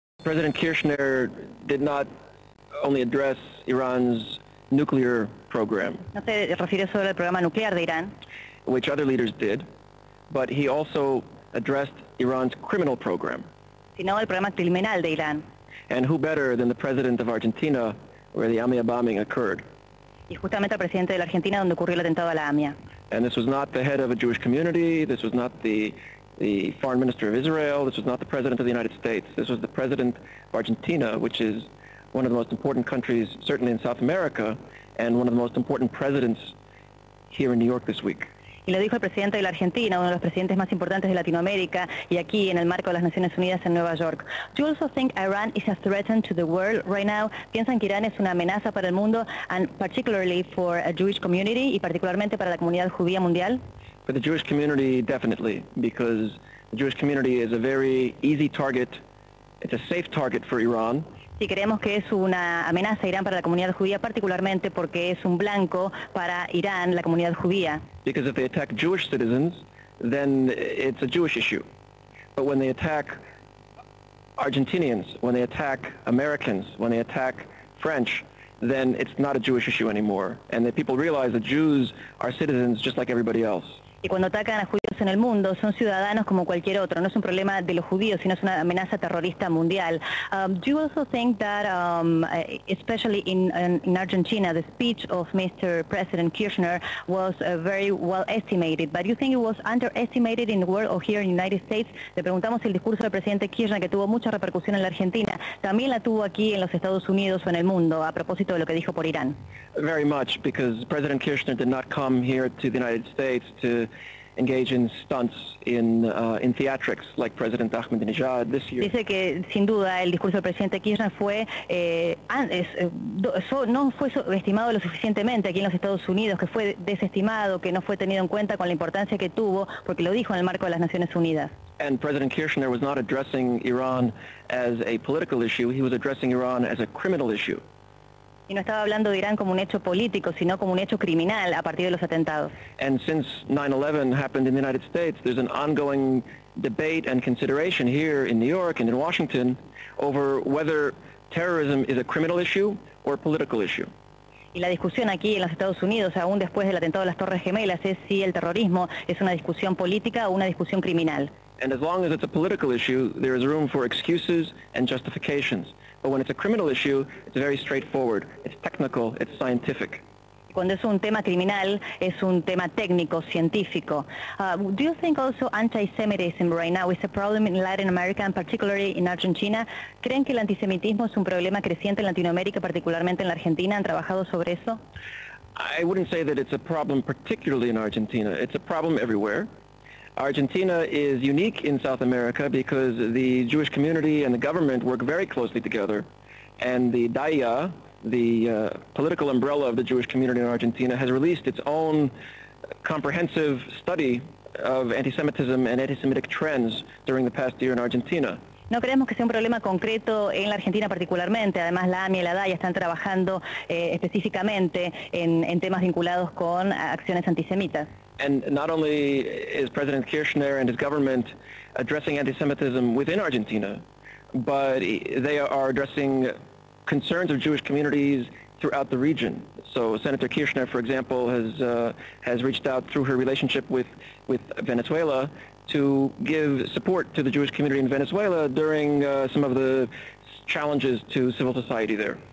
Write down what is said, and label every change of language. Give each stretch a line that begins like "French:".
English: President Kirchner did not only address Iran's nuclear program.
Spanish: No se refiere solo al programa nuclear de Irán.
English: Which other leaders did, but he also addressed Iran's criminal program.
Spanish: Sino el programa criminal de Irán.
English: And who better than the president of Argentina, where the AMIA bombing occurred?
Spanish: Y justamente el presidente de la Argentina donde ocurrió el atentado a la AMIA.
English: And this was not the head of a Jewish community. This was not the foreign minister of Israel. This was not the president of the United States. This was the president of Argentina, which is one of the most important countries, certainly in South America, and one of the most important presidents here in New York this week.
Spanish: Y lo dijo el presidente de la Argentina, uno de los presidentes más importantes de Latinoamérica, y aquí en el marco de las Naciones Unidas en Nueva York.
English: Do you also think Iran is a threat to the world right now?
Spanish: ¿Piensan que Irán es una amenaza para el mundo,
English: and particularly for a Jewish community,
Spanish: y particularmente para la comunidad judía mundial?
English: For the Jewish community, definitely, because the Jewish community is a very easy target. It's a safe target for Iran.
Spanish: Si creemos que es una amenaza a Irán para la comunidad judía, particularmente porque es un blanco para Irán, la comunidad judía.
English: Because if they attack Jewish citizens, then it's a Jewish issue. But when they attack Argentinians, when they attack Americans, when they attack French, then it's not a Jewish issue anymore. And the people realize that Jews are citizens just like everybody else.
Spanish: Y cuando atacan a judíos en el mundo, son ciudadanos como cualquier otro. No es un problema de los judíos, sino es una amenaza terrorista mundial.
English: Do you also think that, especially in Argentina, the speech of Mr. President Kirchner was very well estimated, but you think it was underestimated in the world or here in the United States?
Spanish: Le preguntamos si el discurso del presidente Kirchner, que tuvo mucha repercusión en la Argentina, también la tuvo aquí en los Estados Unidos o en el mundo, a propósito de lo que dijo por Irán.
English: Very much, because President Kirchner did not come here to the United States to engage in stunts in theatrics like President Ahmadinejad this year.
Spanish: Dice que sin duda el discurso del presidente Kirchner fue no fue subestimado lo suficientemente aquí en los Estados Unidos, que fue desestimado, que no fue tenido en cuenta con la importancia que tuvo, porque lo dijo en el marco de las Naciones Unidas.
English: And President Kirchner was not addressing Iran as a political issue, he was addressing Iran as a criminal issue.
Spanish: Y no estaba hablando de Irán como un hecho político, sino como un hecho criminal a partir de los atentados.
English: And since 9/11 happened in the United States, there's an ongoing debate and consideration here in New York and in Washington over whether terrorism is a criminal issue or a political issue.
Spanish: Y la discusión aquí en los Estados Unidos, aún después del atentado de las Torres Gemelas, es si el terrorismo es una discusión política o una discusión criminal.
English: And as long as it's a political issue, there is room for excuses and justifications. But when it's a criminal issue, it's very straightforward. It's technical, it's scientific.
Spanish: Cuando es un tema criminal, es un tema técnico, científico.
English: Do you think also anti-Semitism right now is a problem in Latin America and particularly in Argentina?
Spanish: ¿Creen que el antisemitismo es un problema creciente en Latinoamérica, particularmente en la Argentina? ¿Han trabajado sobre eso?
English: I wouldn't say that it's a problem particularly in Argentina. It's a problem everywhere. Argentina is unique in South America because the Jewish community and the government work very closely together, and the DAIA, the political umbrella of the Jewish community in Argentina, has released its own comprehensive study of anti-Semitism and anti-Semitic trends during the past year in Argentina.
Spanish: No creemos que sea un problema concreto en la Argentina particularmente. Además, la AMIA y la DAIA están trabajando específicamente en temas vinculados con acciones antisemitas.
English: And not only is President Kirchner and his government addressing anti-Semitism within Argentina, but they are addressing concerns of Jewish communities throughout the region. So Senator Kirchner, for example, has reached out through her relationship with Venezuela to give support to the Jewish community in Venezuela during some of the challenges to civil society there.